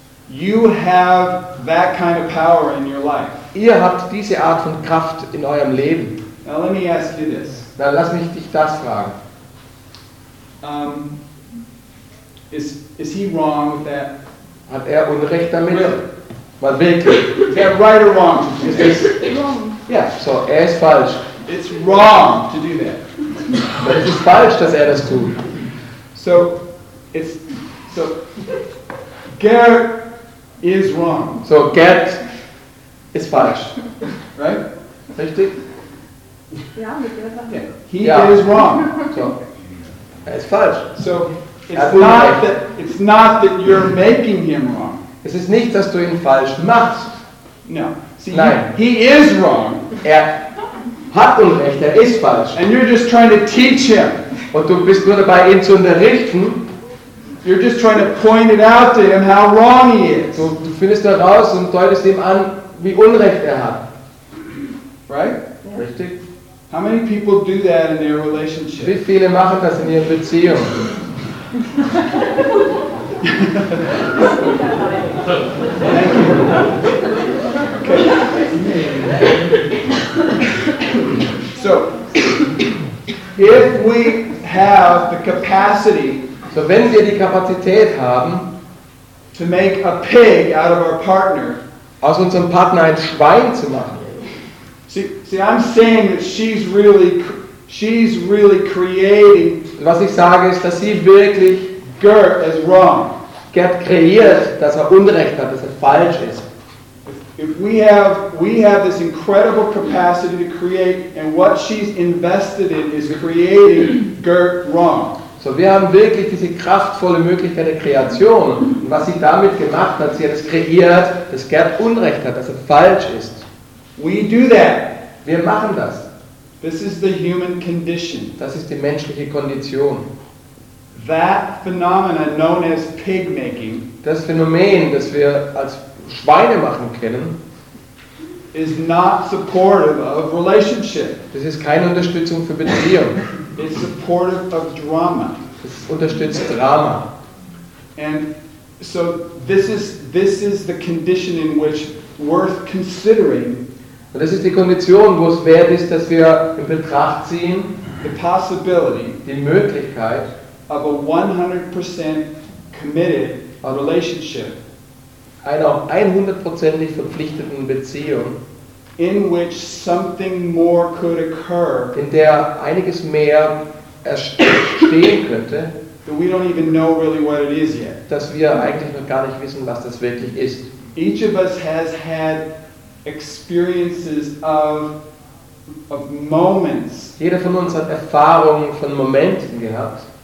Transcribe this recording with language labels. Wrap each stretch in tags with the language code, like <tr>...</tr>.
<en>You have that kind of power in your life.</en> <de>Ihr habt diese Art von Kraft in eurem Leben.</de> <en>Now let me ask you this.</en> <de>Dann lass mich dich das fragen.</de> <en>Is he wrong with that?</en> <de>Hat er Unrecht damit? Mal wirklich.</de> <en>Is that right or wrong? Is this wrong? Yeah,</en> <de>so er ist falsch.</de> <en>It's wrong to do that.</en> <de>Es ist falsch, dass er das tut.</de> <en>So Gerd is wrong.</en> <de>So Gerd ist falsch.</de> <en>Right?</en> <de>Richtig? Ja, mit der Sache.</de> <en>Yeah. He is wrong.</en> <de>So. Er ist falsch.</de> <en>So it's not that you're making him wrong.</en> <de>Es ist nicht, dass du ihn falsch machst.</de> <en>No. See,</en> <de>nein.</de> <en>He is wrong.</en> <de>Er hat Unrecht, er ist falsch.</de> <en>And you're just trying to teach him.</en> <de>Und du bist nur dabei, ihn zu unterrichten.</de> <en>You're just trying to point it out to him how wrong he is.</en> <de>Du findest heraus und deutest ihm an, wie Unrecht er hat.</de> <en>Right? Yeah.</en> <de>Richtig.</de> <en>How many people do that in their relationship?</en> <de>Wie viele machen das in ihren Beziehungen?</de> <en>Thank you. Okay. So, if we have the capacity.</en> <de>So wenn wir die Kapazität haben,</de> <en>to make a pig out of our partner,</en> <de>aus unserem Partner ein Schwein zu machen.</de> <en>See, I'm saying that she's really creating.</en> <de>Was ich sage ist, dass sie wirklich</de> <en>Gerd as wrong.</en> <de>Gerd kreiert, dass Unrecht hat, dass falsch ist.</de> <en>If we have this incredible capacity to create, and what she's invested in is creating Gerd wrong.</en> <de>So wir haben wirklich diese kraftvolle Möglichkeit der Kreation. Und was sie damit gemacht hat, sie hat es kreiert, dass Gerd Unrecht hat, dass falsch ist.</de> <en>We do that.</en> <de>Wir machen das.</de> <en>This is the human condition.</en> <de>Das ist die menschliche Kondition.</de> <en>That phenomenon known as pig making.</en> <de>Das Phänomen, das wir als Schweinemachen kennen,</de> <en>is not supportive of relationship.</en> <de>Das ist keine Unterstützung für Beziehung.</de> <en>It's supportive of drama.</en> <de>Das unterstützt Drama.</de> <en>And so this is the condition in which worth considering.</en> <de>Und das ist die Kondition, wo es wert ist, dass wir in Betracht ziehen</de> <en>the possibility,</en> <de>die Möglichkeit</de> <en>of a 100% committed relationship.</en> <de>Einer 100% verpflichteten Beziehung,</de> <en>in which something more could occur,</en> <de>in der einiges mehr entstehen könnte,</de> <en>that we don't even know really what it is yet.</en> <de>Dass wir eigentlich noch gar nicht wissen, was das wirklich ist.</de> <en>Each of us has had experiences of moments.</en> <de>Jeder von uns hat Erfahrungen von Momenten gehabt.</de>